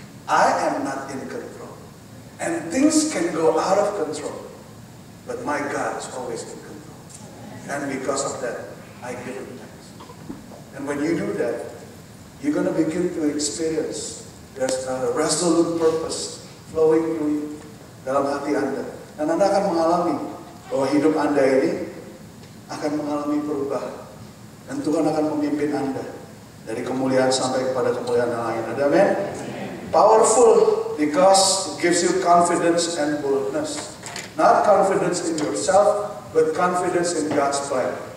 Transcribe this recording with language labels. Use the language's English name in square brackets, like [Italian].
[English] I am not in control. And things can go out of control. But my God is always in control. And because of that, I give Him thanks. And when you do that, you're going to begin to experience there's a resolute purpose flowing through you [Indonesian] dalam hati Anda. Dan Anda akan mengalami bahwa hidup Anda ini akan mengalami perubahan. Dan Tuhan akan memimpin Anda dari kemuliaan sampai kepada kemuliaan yang lain. Ada amin? [English] Powerful because it gives you confidence and boldness. Not confidence in yourself, but confidence in God's plan.